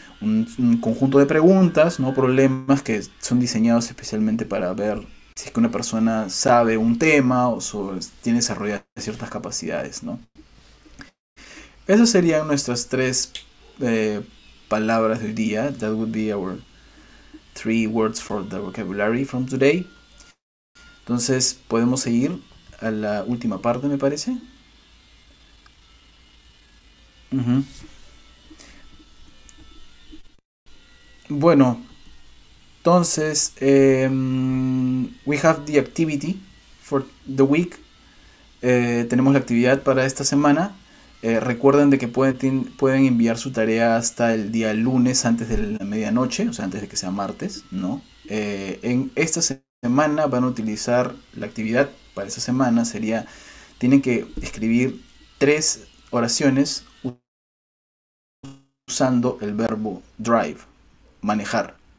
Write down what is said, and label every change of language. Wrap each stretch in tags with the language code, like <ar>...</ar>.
<es>Un conjunto de preguntas, ¿no? Problemas que son diseñados especialmente para ver si es que una persona sabe un tema o tiene desarrolladas ciertas capacidades, ¿no? Esas serían nuestras tres palabras de hoy día.</es> <en>That would be our three words for the vocabulary from today.</en> <es>Entonces, podemos seguir a la última parte, me parece. Bueno. Entonces,</es> <en>we have the activity for the week.</en> <es>Tenemos la actividad para esta semana. Recuerden de que pueden enviar su tarea hasta el día lunes antes de la medianoche, o sea, antes de que sea martes, ¿no? En esta semana van a utilizar la actividad para esa semana. Tienen que escribir tres oraciones usando el verbo drive, manejar.</es>